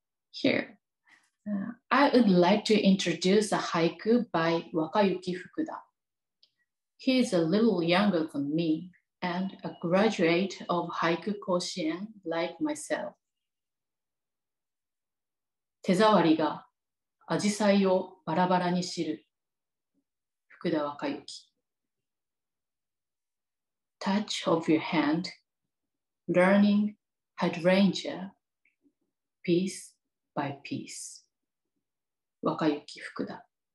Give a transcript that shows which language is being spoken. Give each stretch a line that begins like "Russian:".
English: Here, I would like to introduce a haiku by Wakayuki Fukuda. He is a little younger than me and a graduate of Haiku Koshien like myself.
Japanese: 手触りがアジサイをバラバラに知る。福田若行。
English: Touch of your hand, learning hydrangea, piece by piece.
Japanese: 若行福田。